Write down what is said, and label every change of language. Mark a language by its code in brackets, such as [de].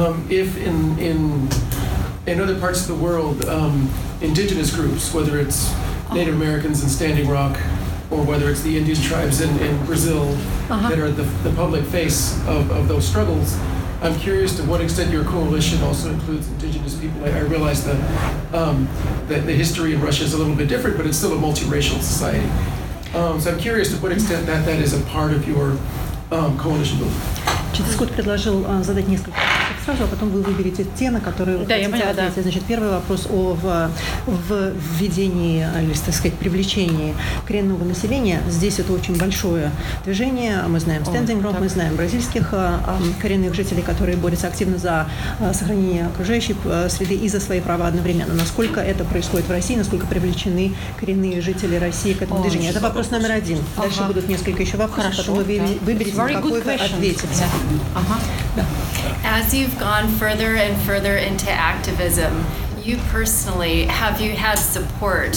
[en] If in other parts of the world, indigenous groups, whether it's Native Americans in Standing Rock, or whether it's the Indian tribes in Brazil, that are the public face of those struggles, I'm curious to what extent your coalition also includes indigenous people. I realize that the history of Russia is a little bit different, but it's still a multiracial society. So I'm curious to what extent that is a part of your coalition movement. [ru] Значит, Скотт предложил задать несколько вопросов сразу, а потом вы выберете те, на которые вы хотите ответить. Да. Значит, первый вопрос о введении, или, так сказать, привлечении коренного населения. Здесь это очень большое движение. Мы знаем Standing Rock, мы знаем бразильских коренных жителей, которые борются активно за сохранение окружающей среды и за свои права одновременно. Насколько это происходит в России, насколько привлечены коренные жители России к этому движению? Это вопрос номер один. Дальше будут несколько еще вопросов, хорошо, потом вы выберете. [en] Very good question. As you've gone further and further into activism, you personally, have you had support?